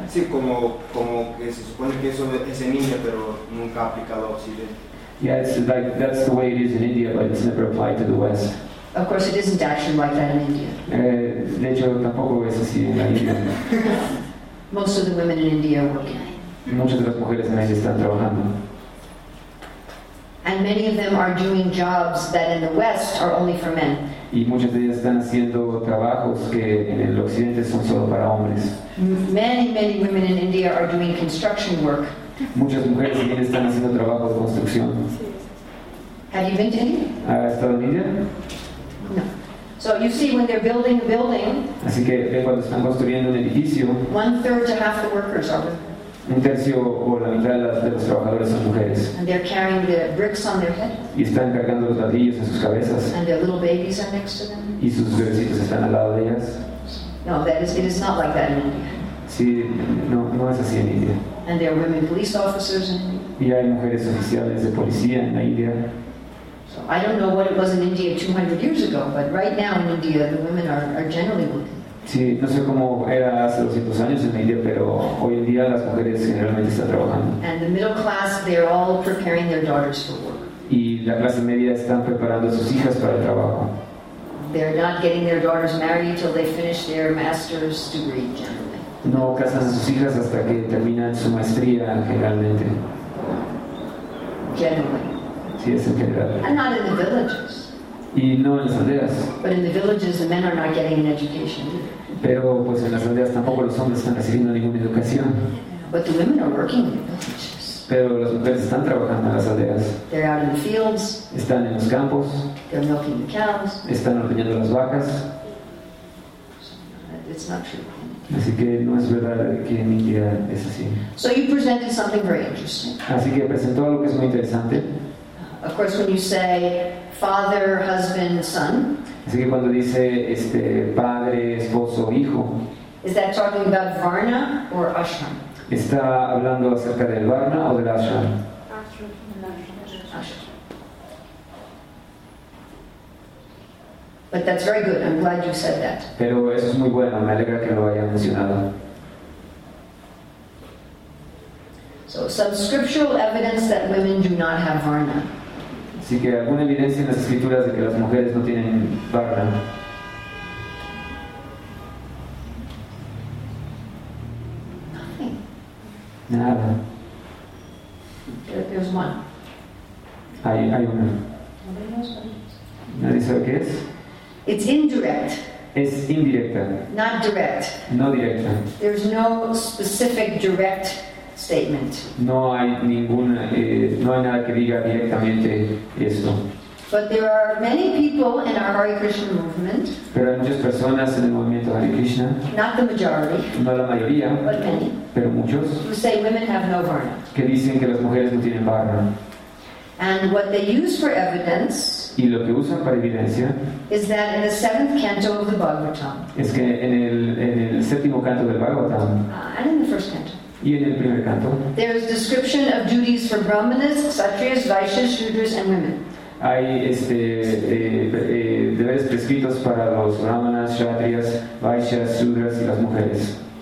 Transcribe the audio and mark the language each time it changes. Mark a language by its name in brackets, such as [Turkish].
[Spanish] Sí, como que se supone que eso es en India, pero nunca ha aplicado a Occidente. [English] Yeah, it's like that's the way it is in India, but it's never applied to the West. Of course, it isn't actually like that in India. [Spanish] De hecho, tampoco es así en la India. [English] Most of the women in India are working. [Spanish] Muchas de las mujeres en India están trabajando. [English] And many of them are doing jobs that in the West are only for men. [Spanish] Y muchas de ellas están haciendo trabajos que en el occidente son solo para hombres. [English] Many women in India are doing construction work. [Spanish] Muchas mujeres también están haciendo trabajos de construcción. [English] Have you been to India? [Spanish] ¿Has estado en India? [English] No. So you see, when they're building a building, [Spanish] así que ve cuando están construyendo un edificio, [English] one third to half the workers are women. [Spanish] Un tercio o la mitad de los trabajadores son mujeres. [English] And they're carrying the bricks on their head. [Spanish] Y están cargando los ladrillos en sus cabezas. [English] And their little babies are next to them. [Spanish] Y sus bebecitos están al lado de ellas. [English] No, it is not like that in India. [Spanish] Sí, no es así en India. [English] And there are women police officers in India. [Spanish] Y hay mujeres oficiales de policía en la India. [English] So I don't know what it was in India 200 years ago, but right now in India the women are generally working. [Spanish] Sí, no sé cómo era hace 200 años en India, pero hoy en día las mujeres generalmente están trabajando. [English] And the middle class, they're all preparing their daughters for work. [Spanish] Y la clase media están preparando a sus hijas para el trabajo. [English] They're not getting their daughters married till they finish their master's degree, generally. [Spanish] No casan a sus hijas hasta que terminan su maestría, generalmente. [English] Generally. [Spanish] Sí, es en general. [English] And not in the villages. [Spanish] Y no en las aldeas. [English] But in the villages, the men are not getting an education. [Spanish] Pero pues en las aldeas tampoco los hombres están recibiendo ninguna educación. [English] But the women are working in the villages. [Spanish] Pero las mujeres están trabajando en las aldeas. [English] They're out in the fields. [Spanish] Están en los campos. [English] They're milking the cows. [Spanish] Están ordeñando las vacas. [English] It's not true. [Spanish] Así que no es verdad que en India es así. [English] So you presented something very interesting. [Spanish] Así que presentó algo que es muy interesante. [English] Of course, when you say father, husband, son. [Spanish] Así que cuando dice padre, esposo, hijo. [English] Is that talking about varna or ashram? [Spanish] Está hablando acerca del varna o del ashram. [English] But that's very good. I'm glad you said that. [Spanish] Pero eso es muy bueno. Me alegra que lo haya mencionado. [English] So some scriptural evidence that women do not have varna. [Spanish] Así que alguna evidencia en las escrituras de que las mujeres no tienen varna. [English] Nothing. [Spanish] Nada. [English] There's one. [Spanish] Hay una. Nadie sabe qué es. [English] It's indirect. [Spanish] Es indirecta. [English] Not direct. [Spanish] No directa. [English] There's no specific direct statement. [Spanish] No hay ninguna, no hay nada que diga directamente esto. [English] But there are many people in our Hare Krishna movement. [Spanish] Pero hay muchas personas en el movimiento Hare Krishna. [English] Not the majority. [Spanish] No la mayoría. [English] But many. [Spanish] Pero muchos. [English] Who say women have no varna. [Spanish] Que dicen que las mujeres no tienen varna. [English] And what they use for evidence. [Spanish] Y lo que usan para evidencia. [English] Is that in the seventh canto of the Bhagavatam. [Spanish] Es que en el séptimo canto del Bhagavatam. [English] And in the first canto. [Spanish] Y en el primer canto, [English] there is description of duties for brahmanas, kshatriyas, vaishyas, shudras, and women. [Spanish] Hay deberes prescritos para los brahmanas, kshatriyas, vaishyas, shudras y las mujeres.